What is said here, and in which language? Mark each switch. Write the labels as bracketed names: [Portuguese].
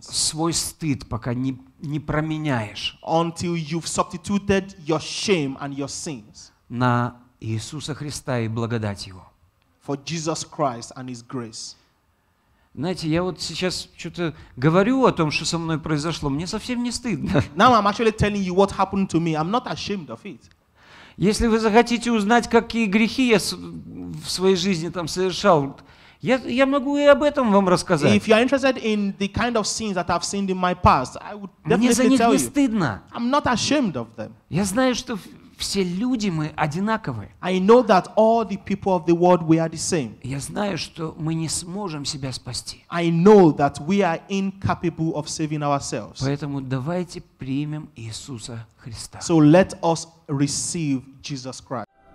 [Russian] свой стыд пока не променяешь, [English] until you've substituted your shame and your sins, [Russian] на Иисуса Христа и благодать Его. [English] For Jesus Christ and His grace. [Russian] Знаете, я вот сейчас что-то говорю о том, что со мной произошло. Мне совсем не стыдно. [English] Now I'm actually telling you what happened to me. I'm not ashamed of it. [Russian] Если вы захотите узнать, какие грехи я в своей жизни там совершал, я могу и об этом вам рассказать. [English] If you are interested in the kind of sins that I've seen in my past, I would definitely tell you. [Russian] Мне за них не стыдно. [English] I'm not ashamed of them. [Russian] Я знаю, что все люди мы одинаковы. [English] I know that all the people of the world we are the same. [Russian] Я знаю, что мы не сможем себя спасти. [English] I know that we are incapable of saving ourselves. [Russian] Поэтому давайте примем Иисуса Христа. [English] So let us receive Jesus Christ.